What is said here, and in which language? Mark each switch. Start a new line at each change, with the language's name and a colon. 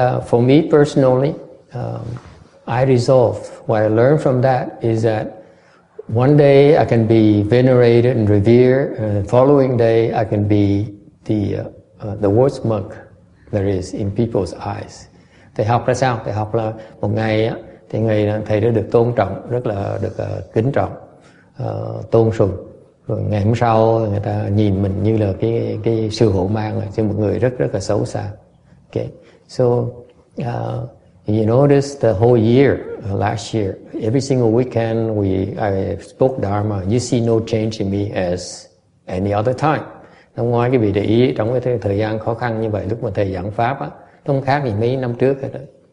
English: For me personally, I resolved what I learned from that is that one day I can be venerated and revered, and the following day I can be the worst monk there is in people's eyes.
Vietnamese: Thầy học là sao? Thầy học là một ngày á, thì ngày thầy đã được tôn trọng, rất là được kính trọng, tôn sùng. Rồi ngày hôm sau người ta nhìn mình như là cái sư hữu mang, là một người rất rất là xấu xa. Okay.
English: So you notice the whole year, last year, every single weekend I spoke Dharma, you see no change in me as any other time.
Vietnamese: Năm ngoái quý vị để ý, trong cái thời gian khó khăn như vậy, lúc mà thầy giảng Pháp á, không khác gì mấy năm trước hết đấy.